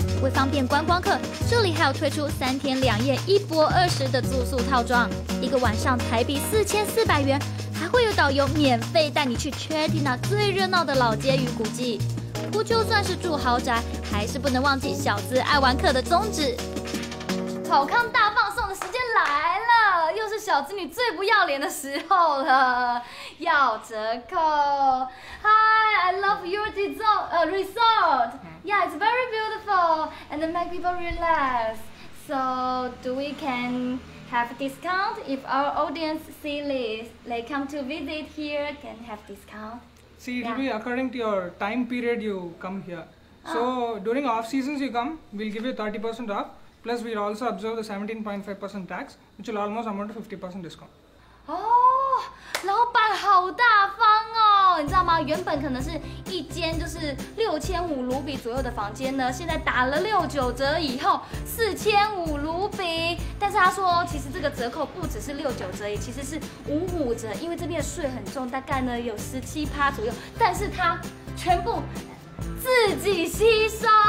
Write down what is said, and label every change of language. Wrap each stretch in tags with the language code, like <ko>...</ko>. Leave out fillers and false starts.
<zh>为方便观光客，这里还有推出3天2夜120的住宿套装，一个晚上台币4400元，还会有导游免费带你去 Chedina 最热闹的老街与古迹。不就算是住豪宅，还是不能忘记小资爱玩客的宗旨。好康大放送的时间来了，又是小资女最不要脸的时候了，要折扣。</zh> <en>Hi, I love your resort. Yeah, it's very beautiful and make people relax. So, do we can have discount if our audience see this? They come to visit here can have discount. See, it'll be according to your time period you come here. So, during off seasons you come, we'll give you 30% off. Plus, we also observe the 17.5% tax, which will almost amount to 50% discount.</en> <zh>Oh, 老板好大方哦！你知道吗？原本可能是一间就是6500卢比左右的房间呢，现在打了69折以后，4500卢比。但是他说，其实这个折扣不只是69折，也其实是55折，因为这边的税很重，大概呢有17%左右，但是他全部自己吸收。</zh>